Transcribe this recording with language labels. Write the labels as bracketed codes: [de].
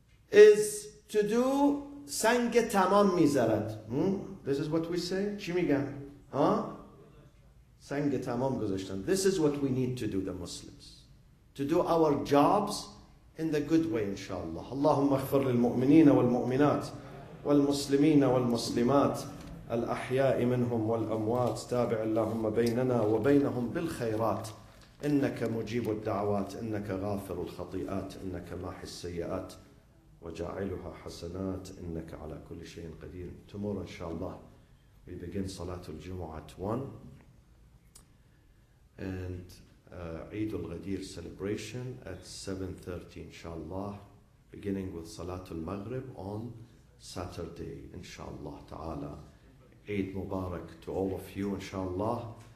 [en] Is to do [fa] سنگ تمام میذارد. [en] This is what we say. [fa] چی میگن؟ [en] Huh? [fa] سنگ تمام گذاشتن. [en] This is what we need to do, the Muslims. To do our jobs in the good way, inshallah. [ar] اللهم اغفر للمؤمنين والمؤمنات والمسلمين والمسلمات الأحياء منهم والأموات تابع اللهم بيننا وبينهم بالخيرات إنك مجيب الدعوات إنك غافر الخطيئات إنك ماحي السيئات وجعلها حسنات إنك على كل شيء قدير. [en] Tomorrow [ar] إن شاء الله [en] we begin [ar] صلاة الجمعة [en] at 1 and [ar] عيد الغدير [en] celebration at 7:30 إن شاء الله, beginning with [ar] صلاة المغرب [en] on Saturday [ar] إن شاء الله تعالى. [en] Eid Mubarak to all of you, inshallah.